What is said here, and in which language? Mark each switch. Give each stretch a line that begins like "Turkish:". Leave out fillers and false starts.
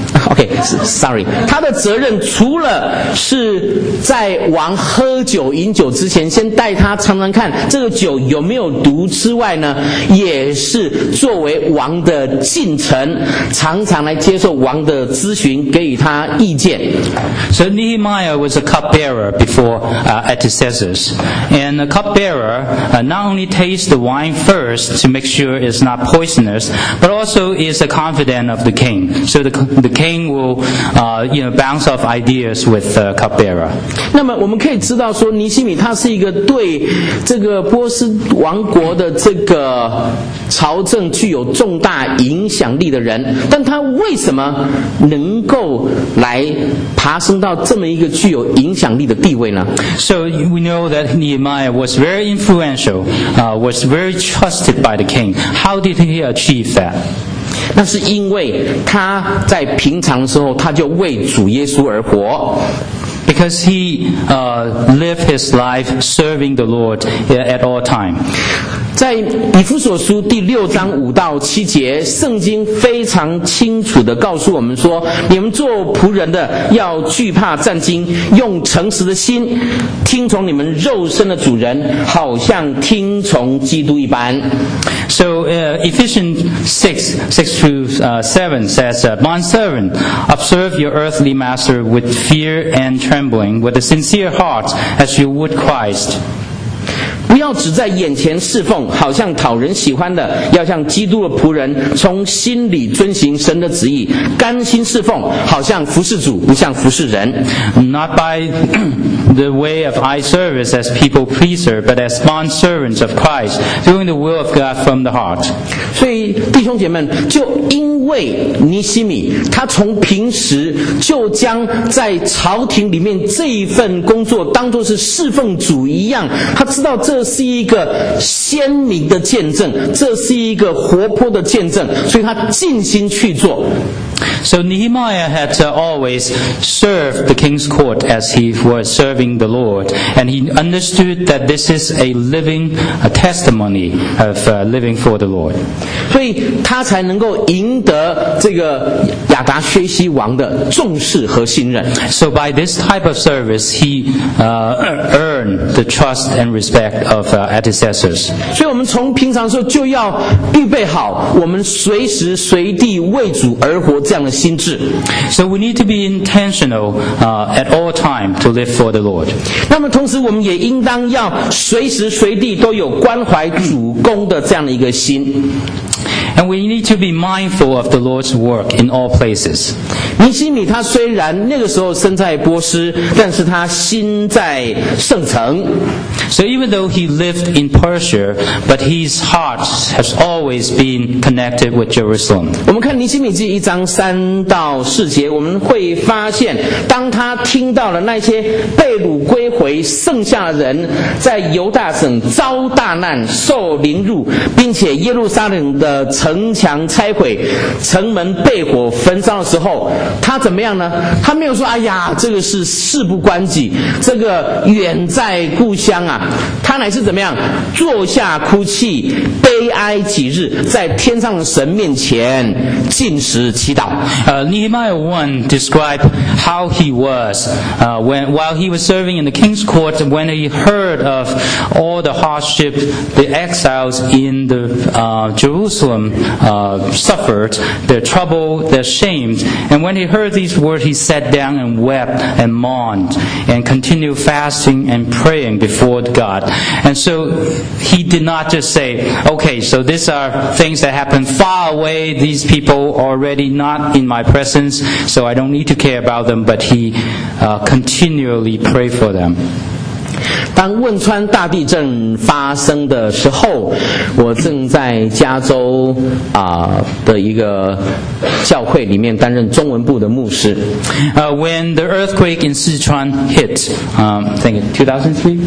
Chinese: OK, 他的责任除了是在王喝酒饮酒之前先带他尝尝看这个酒有没有毒之外呢也是作为王的近臣常常来接受王的咨询给予他意见
English: So Nehemiah was a cupbearer before Artaxerxes and a cupbearer not only tastes the wine first to make sure it's not poisonous but also is a confidant of the king so the king will bounce off ideas with the cupbearer
Chinese: 那么我们可以知道说尼希米他是一个对这个波斯王国的这个朝政具有重大影响力的人但他为什么能够来爬升到这么一个具有影响力的地位呢
English: So we know that Nehemiah was very influential was very trusted by the king How did he achieve that?
Chinese: 那是因为他在平常的时候他就为主耶稣而活
English: Because he lived his life serving the Lord at all time
Chinese: 在以弗所书第六章五到七节圣经非常清楚地告诉我们说你们做仆人的要惧怕战惊用诚实的心听从你们肉身的主人好像听从基督一般
English: So Ephesians 6:6-7 says, Bondservant, observe your earthly master with fear and trembling, with a sincere heart as you would Christ.
Chinese: 不要只在眼前侍奉好像讨人喜欢的要像基督的仆人从心里遵行神的旨意甘心侍奉好像服侍主不像服侍人
English: Not by the way of eye service as people pleaser but as bond servants of Christ doing the will of God from the heart
Chinese: 所以弟兄姐妹就因为尼希米他从平时就将在朝廷里面这一份工作当作是侍奉主一样他知道这是一个鲜明的见证，这是一个活泼的见证，所以他尽心去做。
English: So Nehemiah had to always serve the king's court as he was serving the Lord, and he understood that this is a living testimony of living for the Lord.
Chinese: 所以他才能够赢得这个亚达薛西王的重视和信任。
English: So by this type of service, he earned the trust and respect of antecessors.
Chinese: 所以我们从平常时候就要预备好，我们随时随地为主而活这样的。
English: So we need to be intentional at all time to live for the Lord.
Chinese: 那么同时我们也应当要随时随地都有关怀主公的这样的一个心。
English: And we need to be mindful of the Lord's work in all places.
Chinese: 尼希米他虽然那个时候身在波斯，但是他心在圣城。
English: So even though he lived in Persia, but his heart has always been connected with Jerusalem.
Chinese: 我们看尼希米记一章三到四节，我们会发现，当他听到了那些被掳归回剩下的人在犹大省遭大难、受凌辱，并且耶路撒冷的城墙拆毁，城门被火焚烧的时候，他怎么样呢？他没有说：“哎呀，这个是事不关己，这个远在故乡啊。” 他乃是怎么样坐下哭泣悲哀几日在天上神面前进食祈祷、
English: Nehemiah 1 described how he was while he was serving in the king's court when he heard of all the hardship the exiles in the Jerusalem suffered their trouble their shame and when he heard these words he sat down and wept and mourned and continued fasting and praying before God and so he did not just say okay so these are things that happened far away these people already not in my presence so I don't need to care about them but he continually prayed for them
Chinese: 当汶川大地震发生的时候我正在加州、的一个教会里面担任中文部的牧师、
English: When the earthquake in Sichuan hit I think 2003?